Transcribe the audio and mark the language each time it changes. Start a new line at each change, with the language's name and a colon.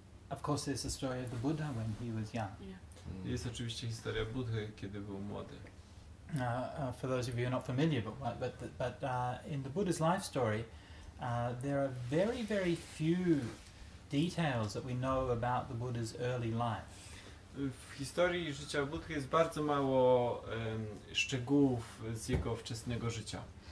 English: Of course there's the story of the Buddha when he was young. Yeah.
Polish: Jest oczywiście historia Buddhy, kiedy był młody.
English: For those of you who are not familiar, but in the Buddha's life story, there are very, very few details that we know about the Buddha's early life.
Polish: W historii życia Buddhy jest bardzo mało szczegółów z jego wczesnego życia.